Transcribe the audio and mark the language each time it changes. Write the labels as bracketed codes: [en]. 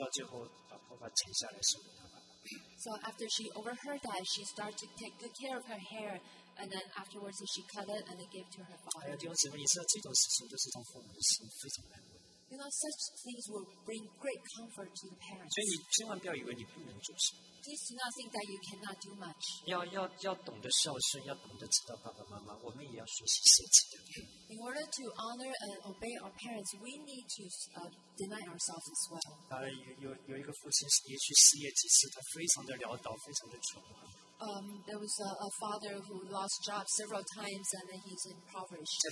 [zh] 这个女儿听见了以后，就一直天天很细心的照顾她的头发，照顾到最后把头发剪下来送给她爸爸。 So [en] after she overheard that, she started to take good care of her hair. And then afterwards, she cut it and gave it to her father. You know, such things will bring great comfort to the parents. Please do not think that you cannot do much. In order to honor and obey our parents, we need to deny ourselves as well. [zh] 有一个父亲也去事业几次，他非常的潦倒，非常的穷。 [en] There was a father who lost job several times and then he's impoverished.